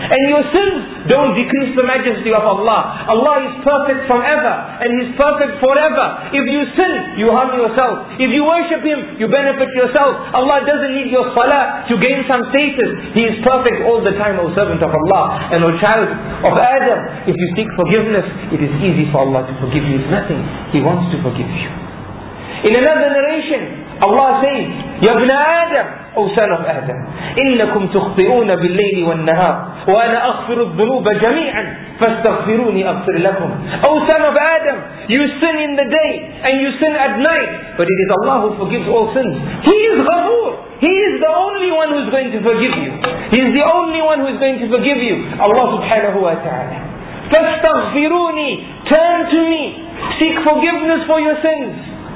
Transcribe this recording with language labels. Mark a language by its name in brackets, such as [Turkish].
[English] And your sins don't decrease the majesty of Allah. Allah is perfect forever, and He's perfect forever. If you sin, you harm yourself. If you worship Him, you benefit yourself. Allah doesn't need your salah to gain some status. He is perfect all the time, O servant of Allah, and O child of Adam. If you seek forgiveness, it is easy for Allah to forgive you. It's nothing. He wants to forgive you. In another narration, Allah says, [Arabic] يَبْنَ آدَمَ, [English] O son of Adam, [Arabic] إِنَّكُمْ تُخْطِئُونَ بِاللَّيْلِ وَالنَّهَارِ وَأَنَا أَغْفِرُ الذُّنُوبَ جَمِيعًا فَاسْتَغْفِرُونِ أَغْفِرْ لَكُمْ. [English] O son of Adam, you sin in the day and you sin at night, but it is Allah who forgives all sins. He is Ghafoor. He is the only one who is going to forgive you. He is the only one who is going to forgive you. Allah subhanahu wa ta'ala. [Arabic] فَاسْتَغْفِرُونِ, [English] turn to me, seek forgiveness for your sins.